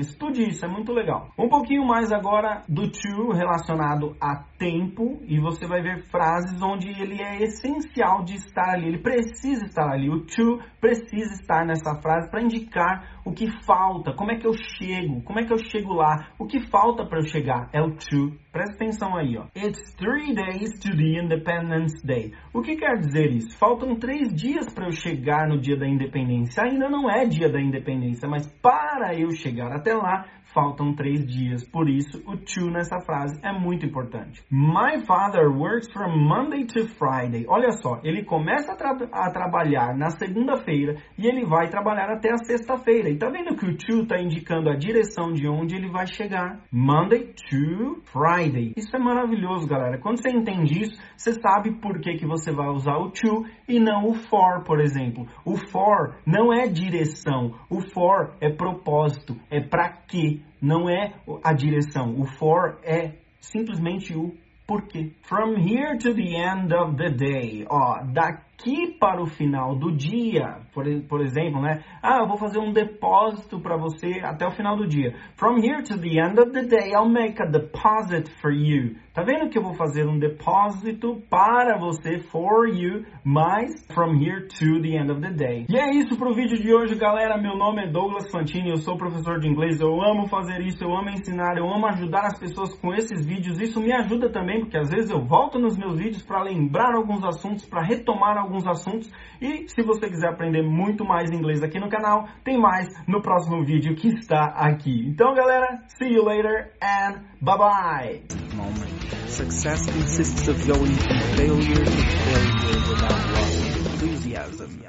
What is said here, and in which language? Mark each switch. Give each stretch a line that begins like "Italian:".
Portuguese: Estude isso, é muito legal. Um pouquinho mais agora do to relacionado a tempo e você vai ver frases onde ele é essencial de estar ali. Ele precisa estar ali. O to precisa estar nessa frase para indicar o que falta, como é que eu chego, como é que eu chego lá, o que falta para eu chegar é o to. Presta atenção aí, ó.
English: It's 3 days to the Independence Day.
Portuguese: O que quer dizer isso? Faltam 3 dias para eu chegar no dia da independência. Ainda não é dia da independência, mas para eu chegar até lá, faltam 3 dias. Por isso, o to nessa frase é muito importante.
English: My father works from Monday to Friday.
Portuguese: Olha só, ele começa a trabalhar na segunda-feira e ele vai trabalhar até a sexta-feira. E tá vendo que o to está indicando a direção de onde ele vai chegar?
English: Monday to Friday.
Portuguese: Isso é maravilhoso, galera. Quando você entende isso, você sabe por que que você vai usar o to e não o for, por exemplo. O for não é direção. O for é propósito. É pra quê? Não é a direção. O for é simplesmente o porquê.
English: From here to the end of the day.
Portuguese: Ó, daqui para o final do dia, por exemplo, né? Ah, eu vou fazer um depósito para você até o final do dia.
English: From here to the end of the day, I'll make a deposit for you.
Portuguese: Tá vendo que eu vou fazer um depósito para você,
English: for you,
Portuguese: mas
English: from here to the end of the day.
Portuguese: E é isso pro vídeo de hoje, galera. Meu nome é Douglas Fantini, eu sou professor de inglês, eu amo fazer isso, eu amo ensinar, eu amo ajudar as pessoas com esses vídeos. Isso me ajuda também, porque às vezes eu volto nos meus vídeos para lembrar alguns assuntos, para retomar alguns assuntos. E se você quiser aprender muito mais inglês aqui no canal, tem mais no próximo vídeo que está aqui. Então, galera,
English: see you later and bye-bye! Success consists of going from failure to failure without enthusiasm.